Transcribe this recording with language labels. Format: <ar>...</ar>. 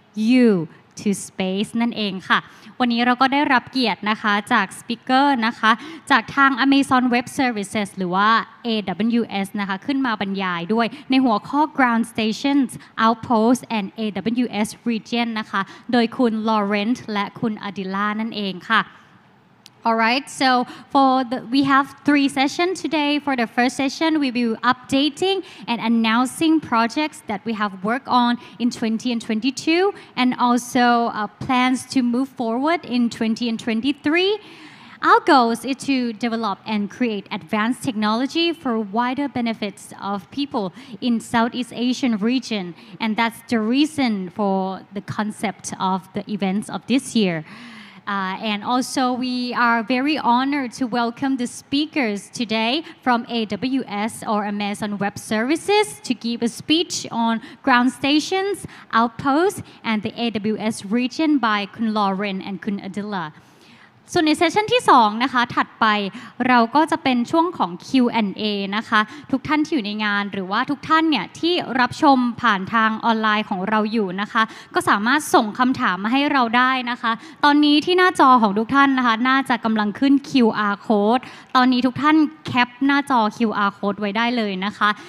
<en>you to space</en> <th>นั่นเองค่ะวันนี้เราก็ได้รับเกียรตินะคะจากสปีกเกอร์นะคะจากทาง Amazon Web Services หรือว่า AWS นะคะขึ้นมาบรรยายด้วยในหัวข้อ Ground Stations Outposts and AWS Region นะคะโดยคุณลอเรนซ์และคุณอดิล่านั่นเองค่ะ</th> <en>Alright, so we have three sessions today. For the first session, we'll be updating and announcing projects that we have worked on in 2022 and also plans to move forward in 2023. Our goal is to develop and create advanced technology for wider benefits of people in Southeast Asian region. And that's the reason for the concept of the events of this year. And also, we are very honored to welcome the speakers today from AWS or Amazon Web Services to give a speech on ground stations, outposts, and the AWS region by Kun Lauren and Kun Adila.</en> <th>ส่วนในเซสชันที่2นะคะถัดไปเราก็จะเป็นช่วงของ Q&A นะคะทุกท่านที่อยู่ในงานหรือว่าทุกท่านเนี่ยที่รับชมผ่านทางออนไลน์ของเราอยู่นะคะก็สามารถส่งคำถามมาให้เราได้นะคะตอนนี้ที่หน้าจอของทุกท่านนะคะน่าจะกำลังขึ้น QR code ตอนนี้ทุกท่านแคปหน้าจอ QR code ไว้ได้เลยนะคะ</th>